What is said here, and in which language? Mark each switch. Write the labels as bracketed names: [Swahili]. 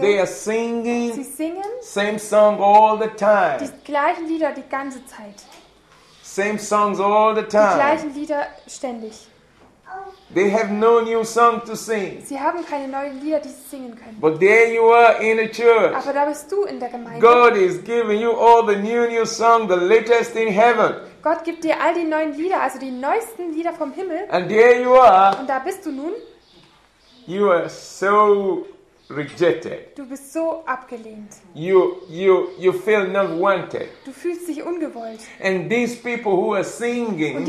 [English] they are singing, [German] sie singen [English] same song all the time. [German] Die gleichen Lieder die ganze Zeit. [English] Same songs all the time. [German] Die gleichen Lieder ständig. [English] They have no new song to sing. [German] Sie haben keine neuen Lieder, die sie singen können. [English] But there you are in a church. [German] Aber da bist du in der Gemeinde. [English] God is giving you all the new song, the latest in heaven. [German] Gott gibt dir all die neuen Lieder, also die neuesten Lieder vom Himmel. [English] And there you are. [German] Und da bist du nun. [English] You are so rejected. [German] Du bist so abgelehnt. [English] You feel not wanted. [German] Du fühlst dich ungewollt. [English] And these people who are singing,